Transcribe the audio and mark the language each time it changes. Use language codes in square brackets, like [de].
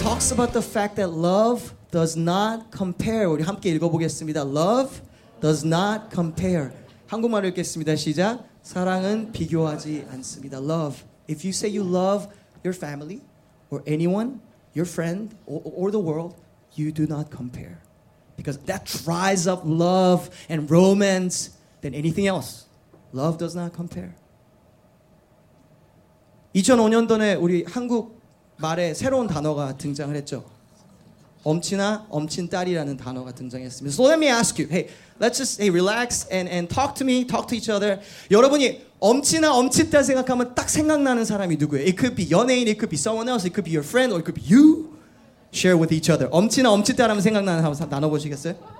[en] about the fact that love does not compare. [ko] 우리 함께 읽어보겠습니다. [en] Love does not compare. [ko] 한국말을 읽겠습니다. 시작. 사랑은 비교하지 않습니다. [en] Love. If you say you love your family or anyone, your friend or the world, you do not compare. Because that dries up love and romance than anything else. Love does not compare. [ko] 2005년도에 우리 한국 말에 새로운 단어가 등장을 했죠. 엄친아, 엄친딸이라는 단어가 등장했습니다. [en] So let me ask you, hey, let's just hey, relax and talk to me, talk to each other. [ko] 여러분이 엄친아, 엄친딸 생각하면 딱 생각나는 사람이 누구예요? [en] It could be 연예인, it could be someone else, it could be your friend, or it could be you. Share with each other. [ko] 엄친아, 엄친딸 하면 생각나는 사람 나눠보시겠어요?